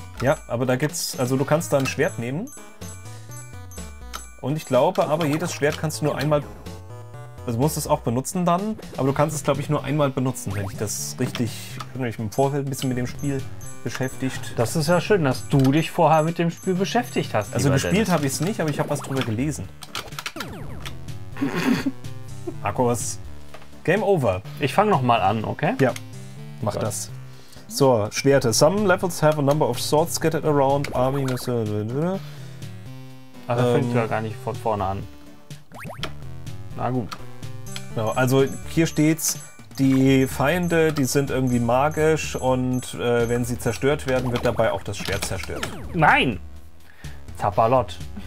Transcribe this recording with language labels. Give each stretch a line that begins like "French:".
German: Ja, aber da gibt's, also du kannst da ein Schwert nehmen. Und ich glaube, aber jedes Schwert kannst du nur einmal, also musst es auch benutzen dann, aber du kannst es, glaube ich, nur einmal benutzen, wenn ich das richtig, wenn ich mich im Vorfeld ein bisschen mit dem Spiel beschäftigt. Das ist ja schön, dass du dich vorher mit dem Spiel beschäftigt hast. Also gespielt habe ich es nicht, aber ich habe was drüber gelesen. Markus,
English: Game over.
German: Ich fange nochmal an, okay? Ja. Mach das. So, Schwerte.
English: Some levels have a number of swords scattered around. Army.
German: Also fängt ja gar nicht von vorne an. Na gut. Genau, also hier steht's, die Feinde, die sind irgendwie magisch und wenn sie zerstört werden, wird dabei auch das Schwert zerstört. Nein! Zappalot.